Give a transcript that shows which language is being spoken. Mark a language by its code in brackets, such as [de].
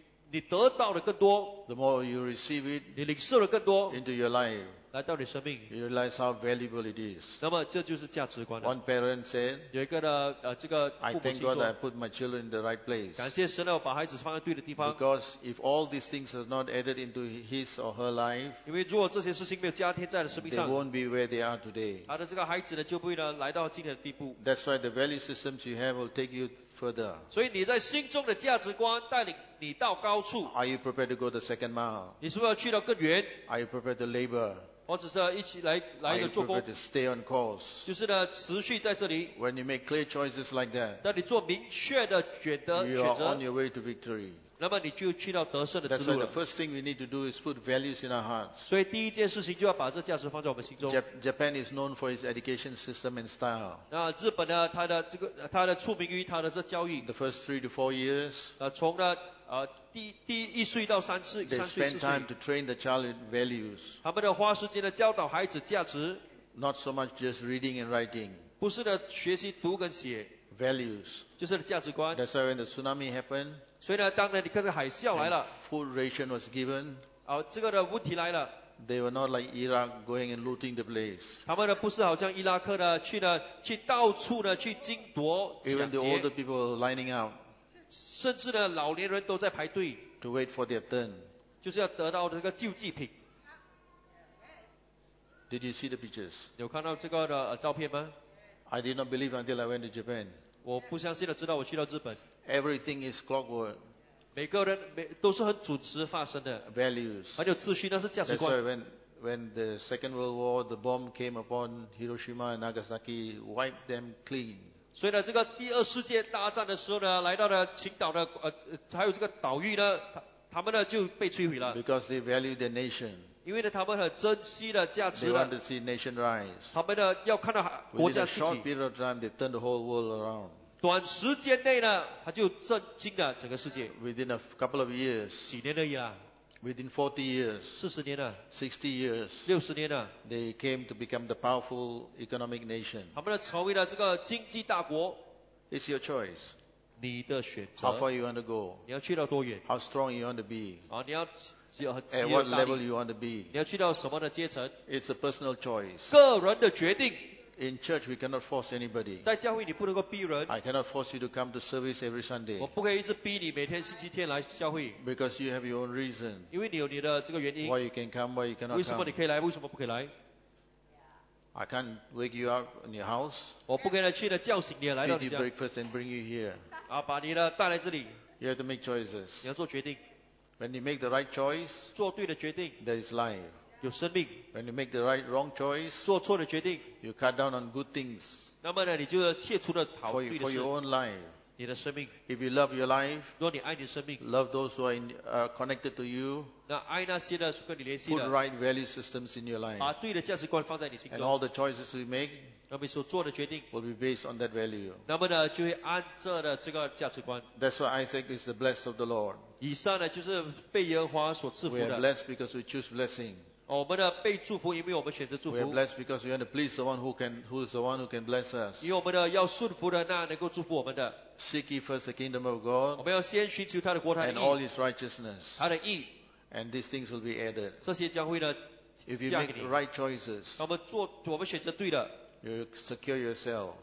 [zh] 你得到的更多, [en] the more you receive it, [zh] 你领受的更多, [en] into your life, [zh] 来到你生命, [en] you realize how valuable it is. [zh] 那么这就是价值观的, [en] one parent said, [zh] 有一个呢, 这个父母亲说, [en] I thank God I put my children in the right place, [zh] 感谢神呢, 我把孩子放在对的地方, [en] because if all these things are not added into his or her life, [zh] 因为如果这些事情没有加添在了生命上, [en] they won't be where they are today. [zh] 他的这个孩子呢, 就不会呢, 来到今天的地步, [en] that's why the value systems you have will take you further. [zh] 所以你在心中的价值观带领你到高处, [en] are you prepared to go the second mile? [zh] 你是不是要去到更远? [en] Are you prepared to labor? [zh] 或者是一起来做工, [en] to stay on course, [zh] 就是呢持续在这里, [en] when you make clear choices like that, [zh] 当你做明确的选择, [en] you are on your way to victory. [zh] 那么你就去到得胜的之路了。 [en] That's why the first thing we need to do is put values in our hearts. [zh] 所以第一件事情就要把这价值放在我们心中。 [en] Japan is known for its education system and style. [zh] 那日本呢, 它的出名于它的这教育。 [en] The first 3 to 4 years, [zh] 从第一岁到三岁, [en] they spend time to train the child in values. [zh] 他们的花时间的教导孩子价值, [en] not so much just reading and writing, [zh] 不是的学习读跟写, [en] values, [zh] 就是价值观。 [en] That's why when the tsunami happened, [zh] 所以呢，当然你看这个海啸来了, [en] food ration was given, [zh] 这个的问题来了, [en] they were not like Iraq going and looting the place. [zh] 他们呢不是好像伊拉克呢, 去到处呢, 去经夺, [en] even the older people lining up, [zh] 甚至呢老年人都在排队, [en] to wait for their turn, [zh] 就是要得到这个救济品。 [en] Did you see the pictures? [zh] 有看到这个的, 照片吗? [en] I did not believe until I went to Japan. [zh] 我不相信的直到我去到日本。 [en] Everything is clockwork. [zh] 每个人, 都是很准时发生的, [en] values. [zh] 很有秩序, 那是价值观。 [en] That's why when the Second World War, the bomb came upon Hiroshima and Nagasaki, wiped them clean. [zh] 所以呢, 这个第二世界大战的时候呢, 来到了青岛的, 还有这个岛屿呢, 他们呢, 就被摧毁了。 [en] Because they value their nation. [zh] 因为呢，他们很珍惜的价值了。 [en] They want to see nation rise. [zh] 他们呢，要看到国家兴起。 [en] Within a short period of time, they turn the whole world around. [zh] 短时间内呢，他就震惊了整个世界。 [en] Within a couple of years. [zh] 几年而已啦。 [en] Within 40 years. [zh] 四十年了。 [en] 60 years. [zh] 六十年了。 [en] They came to become the powerful economic nation. [zh] 他们呢，成为了这个经济大国。 [en] It's your choice. [zh] 你的选择。 [en] How far you want to go? [zh] 你要去到多远？ [en] How strong you want to be? [zh] 啊，你要只有很。 [en] At what level you want to be? [zh] 你要去到什么的阶层？ [en] It's a personal choice. [zh] 个人的决定。 [en] In church we cannot force anybody. [zh] 在教会你不能够逼人。 [en] I cannot force you to come to service every Sunday. [zh] 我不可以一直逼你每天星期天来教会。 [en] Because you have your own reason. [zh] 因为你有你的这个原因。 [en] Why you can come, why you cannot come? [zh] 为什么你可以来，为什么不可以来？ [en] I can't wake you up in your house. [zh] 我不可以去的叫醒你来到你家。 [en] Feed you breakfast and bring you here. [zh] 啊，把你的带来这里。 [en] You have to make choices. [zh] 你要做决定。 [en] When you make the right choice, [zh] 做对的决定。 [en] There is life. [zh] 有生命。 [en] When you make the right wrong choice, [zh] 做错的决定。 [en] You cut down on good things. [zh] 那么呢，你就切除了好对的事。 [en] For your own life. [zh] 你的生命。 [en] If you love your life, [zh] 如果你爱你的生命。 [en] Love those who are connected to you. [zh] 那爱那些的，跟你联系的。 [en] Put right value systems in your life. [zh] 把对的价值观放在你心中。 [en] And all the choices we make, [zh] 那么所做的决定 [en] will be based on that value. [zh] 那么呢，就会按照的这个价值观。 [en] That's why Isaac is the blessed of the Lord. [zh] 以上呢，就是被耶和华所赐福的。 [en] We are blessed because we choose blessing. [zh] 我们的被祝福，因为我们选择祝福。 [en] We are blessed because we want to please the one who is the one who can bless us. [zh] 因为我们的要顺服的那能够祝福我们的。 [en] Seek ye first the kingdom of God. [zh] 我们要先寻求他的国，他的义。 [en] And all his righteousness. [zh] 他的义。 [en] And these things will be added. [zh] 这些将会呢， [en] If you make the right choices, [zh] 那么做我们选择对的。 [en] You secure yourself.